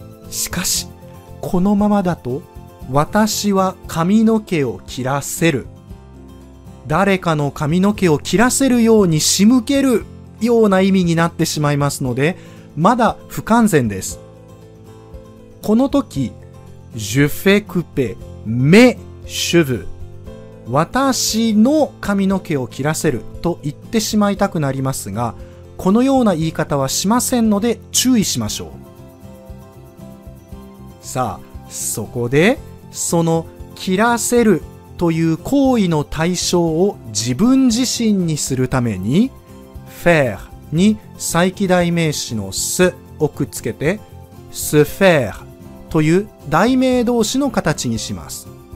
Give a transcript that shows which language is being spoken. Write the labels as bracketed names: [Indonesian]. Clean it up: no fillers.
[Japanese] しかしこのままだと私は髪の毛を切らせる、誰かの髪の毛を切らせるように仕向けるような意味になってしまいますので、まだ不完全です。この時、 [French] Je fais couper mes cheveux。 [Japanese] 私の髪の毛を切らせると言ってしまいたくなりますが、このような言い方はしませんので注意しましょう。さあ、そこで、その切らせるという行為の対象を自分自身にするために faire に再起代名詞の se をくっつけて se faire という代名動詞の形にします。